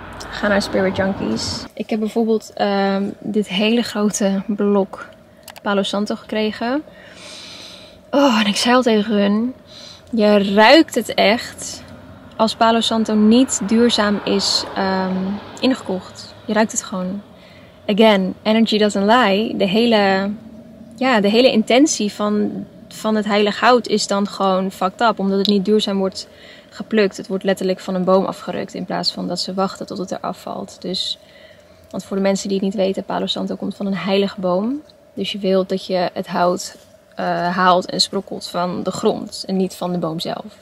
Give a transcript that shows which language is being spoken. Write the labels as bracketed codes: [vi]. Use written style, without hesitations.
[nl] Ga naar Spirit Junkies. Ik heb bijvoorbeeld dit hele grote blok Palo Santo gekregen. Oh, en ik zei al tegen hun, je ruikt het echt. Als Palo Santo niet duurzaam is ingekocht. Je ruikt het gewoon. [en] Again, energy doesn't lie. [nl] De hele intentie van het heilig hout is dan gewoon fucked up. Omdat het niet duurzaam wordt geplukt. Het wordt letterlijk van een boom afgerukt. In plaats van dat ze wachten tot het eraf valt. Dus, want voor de mensen die het niet weten, Palo Santo komt van een heilige boom. Dus je wilt dat je het hout haalt en sprokkelt van de grond. En niet van de boom zelf.